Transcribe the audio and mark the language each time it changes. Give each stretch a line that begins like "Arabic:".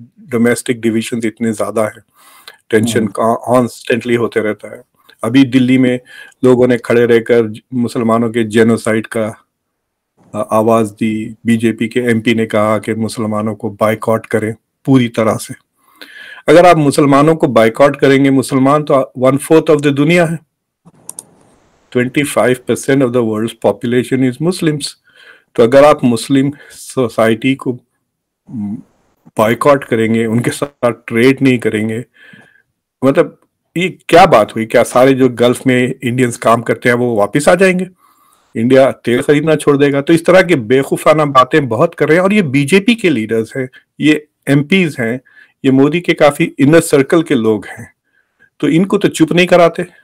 Urdu: Domestic divisions اتنے زیادہ ہیں, ٹینشن کانسٹنٹلی ہوتے رہتا ہے. ابھی دلی میں لوگوں نے کھڑے رہ کر مسلمانوں کے جینوسائڈ کا آواز دی. بی جے پی کے ایم پی نے کہا کہ مسلمانوں کو بائیکاٹ کریں پوری طرح سے. اگر آپ مسلمانوں کو بائیکاٹ کریں گے, مسلمان تو ون فورتھ آف دا دنیا ہے,
English: 25% of the world population is Muslims.
Urdu: تو اگر آپ مسلم سوسائٹی کو بائیکاٹ کریں گے, ان کے ساتھ ٹریڈ نہیں کریں گے, مطلب یہ کیا بات ہوئی؟ کیا سارے جو گلف میں انڈینز کام کرتے ہیں وہ واپس آ جائیں گے؟ انڈیا تیل خریدنا چھوڑ دے گا؟ تو اس طرح کی بے خوفانہ باتیں بہت کر رہے ہیں. اور یہ بی جے پی کے لیڈرز ہیں, یہ ایم پیز ہیں, یہ مودی کے کافی انر سرکل کے لوگ ہیں, تو ان کو تو چپ نہیں کراتے.